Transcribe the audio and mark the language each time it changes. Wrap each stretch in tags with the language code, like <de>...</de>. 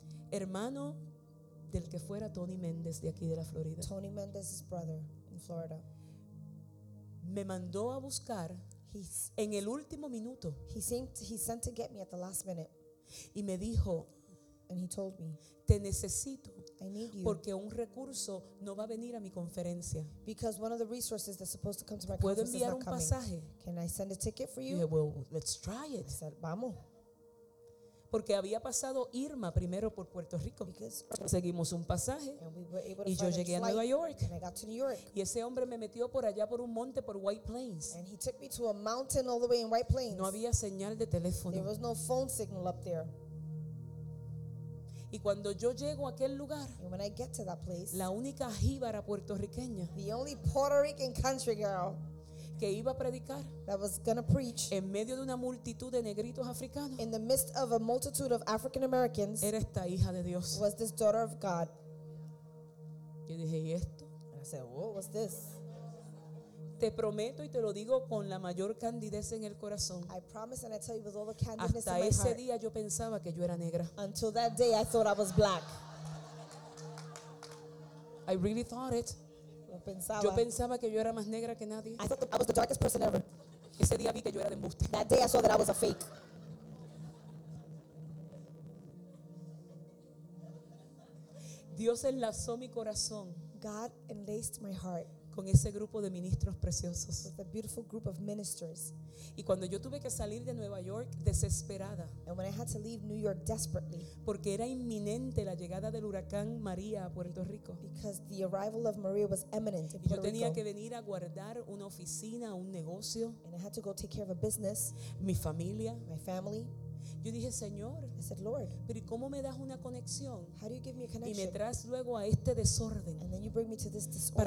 <es>hermano del que fuera Tony Méndez de aquí de la Florida.</es> <en>Tony Méndez's brother in Florida.</en> <es>Me mandó a buscar en el último minuto.</es> <en>He sent to get me at the last minute.</en> <es>Y me dijo,</es> <en>and he told me,</en> <es>te necesito.</es> <en>I need you.</en> <es>Porque un recurso no va a venir a mi conferencia.</es> <en>Because one of the resources that's supposed to come to my conference is not coming.</en> <es>¿Puedo enviar un pasaje?</es> <en>Can I send a ticket for you? Yeah, well, let's try it. I said,</en> <es>vamos. Porque había pasado Irma primero por Puerto Rico. Conseguimos un pasaje y yo llegué a Nueva York.</es> <en>And I got to New York.</en> <es>Y ese hombre me metió por allá por un monte por White Plains.</es> <en>And he took me to a mountain all the way in White Plains.</en> <es>No había señal de teléfono.</es> <en>There was no phone signal up there.</en> <es>Y cuando yo llego a aquel lugar,</es> <en>and when I get to that place,</en> <es>la única jíbara puertorriqueña,</es> <en>the only Puerto Rican country girl,</en> <es>que iba a predicar,</es> <en>that was gonna preach,</en> <es>en medio de una multitud de negritos africanos,</es> <en>in the midst of a multitude of African Americans,</en> <es>era esta hija de Dios,</es> <en>was this daughter of God.</en> <es>Yo dije, ¿y esto?</es> <en>And I said, whoa, what's this?</en> <es>Te prometo y te lo digo con la mayor candidez en el corazón.</es> <en>I promise and I tell you with all the candidness</en> <es>hasta</es> <en>in my</en> <es>ese</es> <en>heart,</en> <es>día yo pensaba que yo era negra.</es> <en>Until that day I thought I was black. I really thought it.</en> <es>Pensaba. Yo pensaba que yo era más negra que nadie.</es> <en>I thought I was the darkest person ever.</en> <es>Ese día vi que yo era de embuste.</es> <en>That day I saw that I was a fake.</en> <es>Dios enlazó mi corazón.</es> <en>God enlaced my heart.</en> <es>con ese grupo de ministros preciosos.</es> <en>With a beautiful group of ministers.</en> <es>Y cuando yo tuve que salir de Nueva York desesperada,</es> <en>and when I had to leave New York desperately,</en> <es>porque era inminente la llegada del huracán María a Puerto Rico,</es> <en>because the arrival of Maria was imminent in Puerto</en> <es>yo tenía que venir a guardar una oficina, un negocio,</es> <en>and I had to go take care of a business,</en> <es>mi familia,</es> <en>my family.</en> <es>Yo dije, Señor,</es> <en>I said, Lord,</en> <es>pero ¿cómo me das una conexión?</es> <en>How do you give me a connection?</en> <es>Y me traes luego a este desorden.</es> <en>And then you bring me to this disorder.</en>